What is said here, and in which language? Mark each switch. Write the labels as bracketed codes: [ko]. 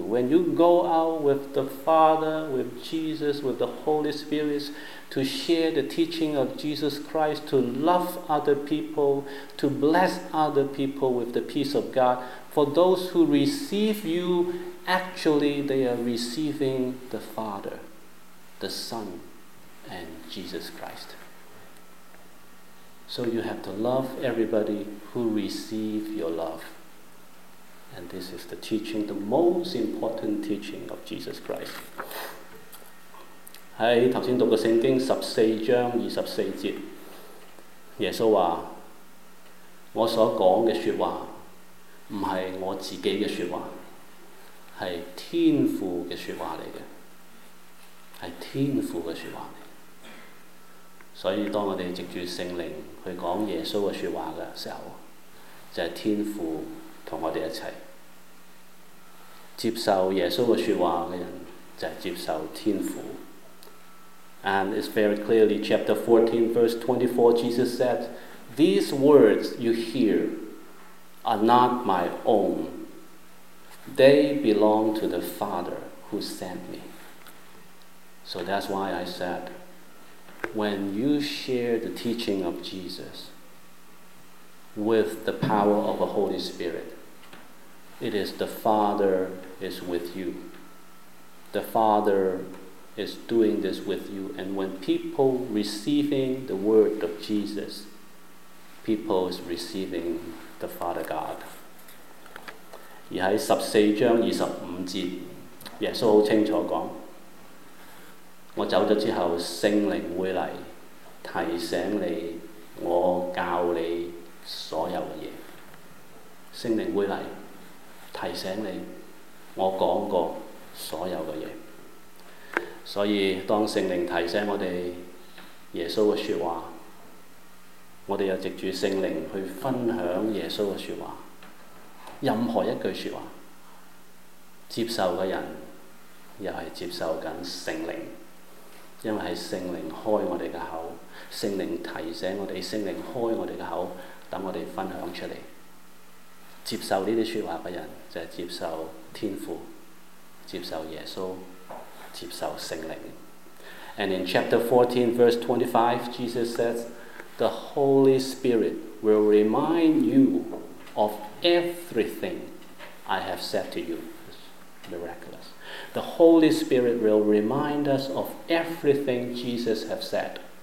[en] When you go out with the Father, with Jesus, with the Holy Spirit, to share the teaching of Jesus Christ, to love other people, to bless other people with the peace of God, for those who receive you,Actually, they are receiving the Father, the Son, and Jesus Christ. So you have to love everybody who receive your love. And this is the teaching, the most important teaching of Jesus Christ. [zh] 在刚才读的圣经14:24，耶稣说，我所讲的说话不是我自己的说话，是天父的说话来的，是天父的说话来的。所以当我们藉着圣灵去讲耶稣的说话的时候，就是天父跟我们一起。接受耶稣的说话的人就是接受天父。 [en] And it's very clearly chapter 14 verse 24, Jesus said, These words you hear are not my ownThey belong to the Father who sent me. So that's why I said, when you share the teaching of Jesus with the power of the Holy Spirit, it is the Father is with you. The Father is doing this with you. And when people receiving the word of Jesus, people is receiving the Father God. [zh] 而在14:25，耶稣很清楚说，我走了之后，圣灵会来提醒你，我教你所有的东西。圣灵会来提醒你，我讲过所有的东西。所以当圣灵提醒我们耶稣的说话，我们又藉着圣灵去分享耶稣的说话，任何一句说话接受的人又是接受着圣灵，因为是圣灵开我们的口，圣灵提醒我们，圣灵开我们的口，让我们分享出来。接受这些说话的人就是接受天父，接受耶稣，接受圣灵。 [en] And in chapter 14 verse 25 Jesus says, the Holy Spirit will remind you of everything I have said to you. It's miraculous. The Holy Spirit will remind us of everything Jesus has said.